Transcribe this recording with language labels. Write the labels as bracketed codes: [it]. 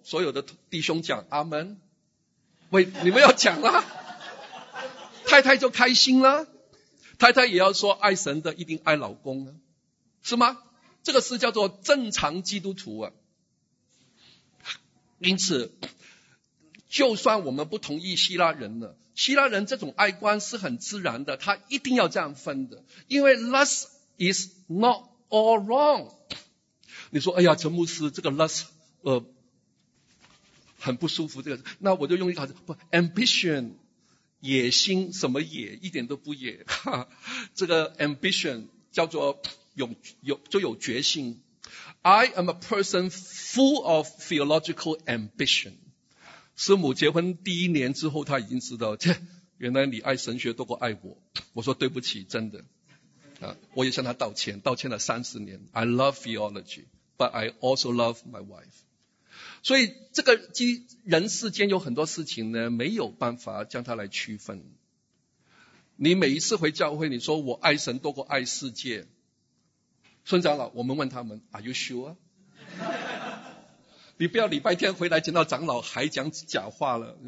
[zh] 所有的弟兄讲阿们，喂，你们要讲啦，太太就开心了，太太也要说爱神的一定爱老公啊，是吗？这个是叫做正常基督徒啊。因此就算我们不同意希腊人了，希腊人这种爱观是很自然的，他一定要这样分的。因为 [en] lust is not all wrong。 [zh] 你说哎呀陈牧师，这个 lust 很不舒服，这个那我就用一个不 ambition，野心，什么野？一点都不野。这个 ambition 叫做有决心。 [en] I am a person full of theological ambition。 [zh] 师母结婚第一年之后，他已经知道，切，原来你爱神学多过爱我。我说对不起，真的。啊，我也向他道歉，道歉了30年。 [en] I love theology, but I also love my wife。 [zh] 所以这个人世间有很多事情呢，没有办法将它来区分。你每一次回教会，你说我爱神多过爱世界，孙长老，我们问他们 [en] Are you sure？ [zh] 你不要礼拜天回来见到长老还讲假话了。